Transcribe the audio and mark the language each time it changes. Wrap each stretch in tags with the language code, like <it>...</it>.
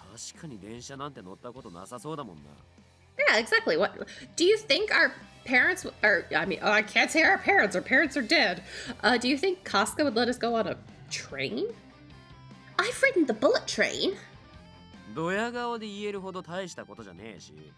<ja>確かに電車なんて乗ったことなさそうだもんな。</ja> <en>Yeah, exactly. What do you think our parents are? I mean, oh, I can't say our parents. Our parents are dead. Do you think Casca would let us go on a train? I've ridden the bullet train.</en> <ja>ドヤ顔で言えるほど大したことじゃねえし。</ja>